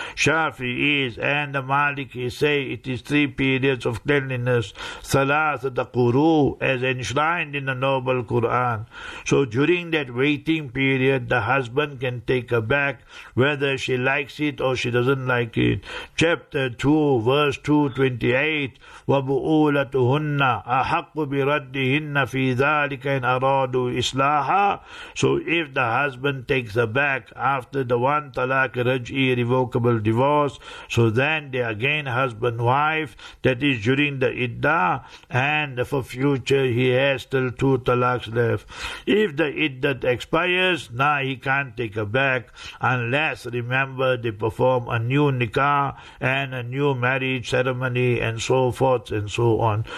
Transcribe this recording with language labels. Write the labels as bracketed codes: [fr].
[en] Shafi'is and the Malikis say it is 3 periods of cleanliness. Salat al-Quru, as enshrined in the Noble Quran. So during that waiting period, the husband can take her back, whether she likes it or she doesn't like it. Chapter 2, verse 228, [ar] وَبُؤُولَتُهُنَّ أَحَقُّ بِرَدِّهِنَّ فِي ذَلِكَ إِنْ أَرَادُوا إِصْلَاحًا. [en] So if the husband takes her back after the 1 talaq raj'i, irrevocable divorce, so then they again husband wife, that is during the iddah, and for future he has still 2 talaqs left. If the iddah expires, now he can't take her back unless, remember, they perform a new nikah and a new marriage ceremony and so forth and so on.